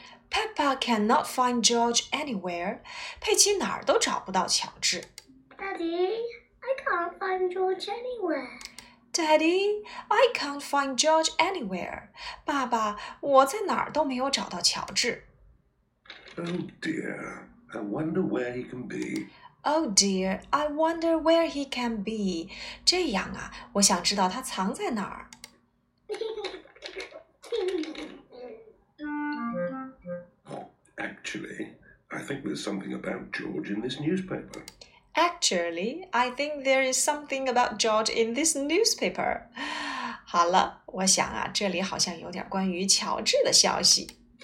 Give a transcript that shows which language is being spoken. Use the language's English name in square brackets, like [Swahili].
[English] Peppa cannot find George anywhere. [Chinese] 佩奇哪儿都找不到乔治。 [English] Daddy, I can't find George anywhere. Daddy, I can't find George anywhere. [Chinese] 爸爸，我在哪儿都没有找到乔治。 [English] Oh dear, I wonder where he can be. Oh dear, I wonder where he can be. [Chinese] 这样啊，我想知道他藏在哪儿。 [English] Actually, I think there's something about George in this newspaper. Actually, I think there is something about George in this newspaper. [Chinese] 好了，我想啊，这里好像有点关于乔治的消息。